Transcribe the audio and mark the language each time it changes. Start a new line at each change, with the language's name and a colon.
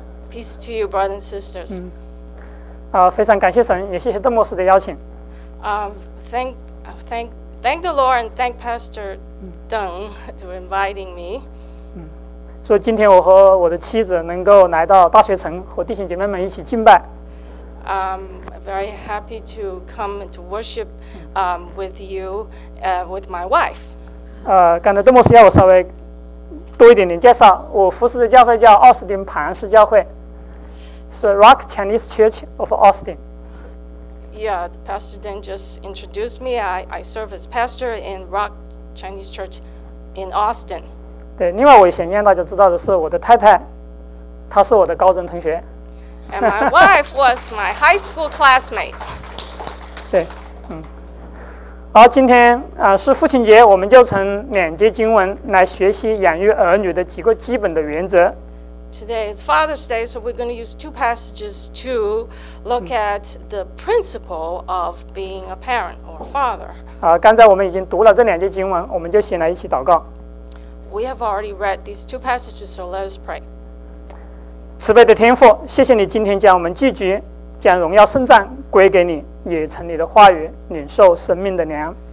English: peace to you, brothers and sisters.
Chinese: 非常感谢神，也谢谢邓牧师的邀请。
English: Thank the Lord and thank Pastor Deng for inviting me.
Chinese: 所以今天我和我的妻子能够来到大学城，和弟兄姐妹们一起敬拜。
English: Very happy to come to worship with you with my wife.
Chinese: 刚才邓牧师要我稍微多一点点介绍，我服侍的教会叫奥斯汀磐石教会。
English: The Rock Chinese Church of Austin. Yeah, Pastor Deng just introduced me. I serve as pastor in Rock Chinese Church in Austin.
Chinese: 对，另外我想让大家知道的是，我的太太，她是我的高中同学。
English: And my wife was my high school classmate.
Chinese: 对，好，今天是父亲节，我们就从两节经文来学习养育儿女的几个基本的原则。
English: Today is Father's Day, so we're going to use two passages to look at the principle of being a parent or father.
Chinese: 刚才我们已经读了这两节经文，我们就先来一起祷告。
English: We have already read these two passages, so let us pray.
Chinese: 慈悲的天父，谢谢你今天将我们聚集，将荣耀圣赞归给你，也从你的话语领受生命的粮。